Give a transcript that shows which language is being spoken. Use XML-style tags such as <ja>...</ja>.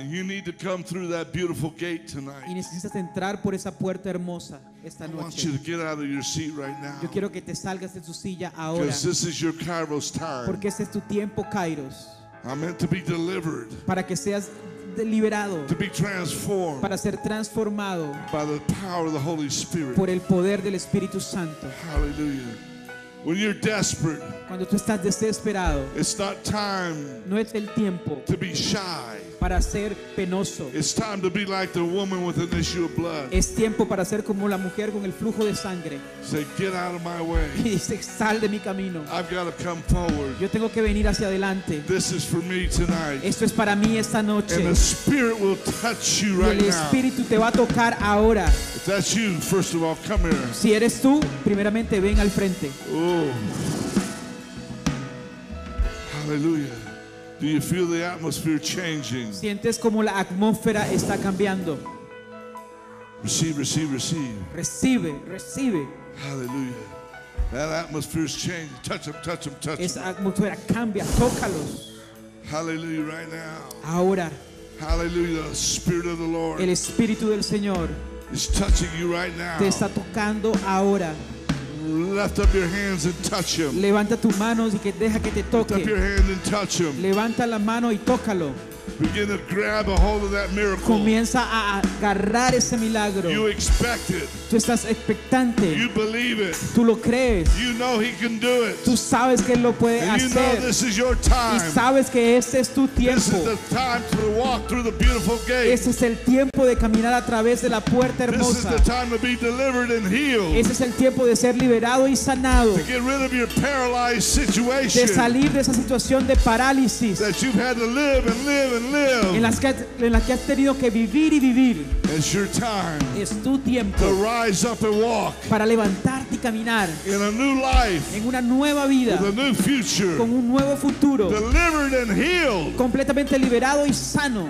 <en>And you need to come through that beautiful gate tonight.</en> <es>Y necesitas entrar por esa puerta hermosa esta</es> <en>I</en> <es>noche.</es> <en>Want you to get out of your seat right now.</en> <es>Yo quiero que te salgas de tu silla ahora.</es> <en>Because this is your Kairos time.</en> <es>Porque este es tu tiempo, Kairos.</es> <en>I'm meant to be delivered.</en> <es>Para que seas liberado.</es> <en>To be transformed.</en> <es>Para ser transformado.</es> <en>By the power of the Holy Spirit.</en> <es>Por el poder del Espíritu Santo.</es> <en>Hallelujah. When you're desperate,</en> <es>cuando tú estás desesperado,</es> <en>it's not time</en> <es>no es el tiempo</es> <en>to be shy.</en> <es>Para ser penoso.</es> <en>It's time to be like the woman with an issue of blood.</en> <es>Es tiempo para ser como la mujer con el flujo de sangre.</es> <en>Say, get out of my way.</en> <es>Y dice, sal de mi camino.</es> <en>I've got to come forward.</en> <es>Yo tengo que venir hacia adelante.</es> <en>This is for me tonight.</en> <es>Esto es para mí esta noche.</es> <en>And the Spirit will touch you right now.</en> <es>El Espíritu te va a tocar ahora.</es> <en>If that's you, first of all, come here.</en> <es>Si eres tú, primeramente ven al frente. Oh.</es> <en>Hallelujah. Do you feel the atmosphere changing?</en> <es>¿Sientes como la atmósfera está cambiando?</es> <en>Receive, receive, receive.</en> <es>Recibe, recibe.</es> <en>Hallelujah. That atmosphere is changing. Touch them, touch them, touch them.</en> <es>Esa atmósfera cambia. Tócalos.</es> <en>Hallelujah, right now.</en> <es>Ahora.</es> <en>Hallelujah, the Spirit of the Lord.</en> <es>El Espíritu del Señor.</es> <en>Is touching you right now.</en> <es>Te está tocando ahora.</es> <en>Lift up your hands and touch him.</en> <es>Levanta tus manos y que deja que te toque.</es> <en>Lift up your hand and touch him.</en> <es>Levanta la mano y tócalo.</es> <en>Begin to grab a hold of that miracle.</en> <es>Comienza a agarrar ese milagro.</es> <en>You expect it.</en> <es>Tú estás expectante.</es> <en>You believe it.</en> <es>Tú lo crees.</es> <en>You know he can do it.</en> <es>Tú sabes que él lo puede</es> <en>and You know this is your time.</en> <es>Y sabes que este es tu tiempo.</es> <en>This is the time to walk through the beautiful gate.</en> <es>Este es el tiempo de caminar a través de la puerta hermosa.</es> <en>This is the time to be delivered and healed.</en> <es>Este es el tiempo de ser liberado y sanado.</es> <en>To get rid of your paralyzed situation.</en> <es>De salir de esa situación de parálisis.</es> <en>That you've had to live and live and live.</en> <es>En las que has tenido que vivir y vivir.</es> <en>It's your time.</en> <es>Es tu tiempo.</es> <en>Rise up and walk.</en> <es>Para levantarte y caminar.</es> <en>In a new life.</en> <es>En una nueva vida.</es> <en>With a new future.</en> <es>Con un nuevo futuro.</es> <en>Delivered and healed.</en> <es>Completamente liberado y sano.</es>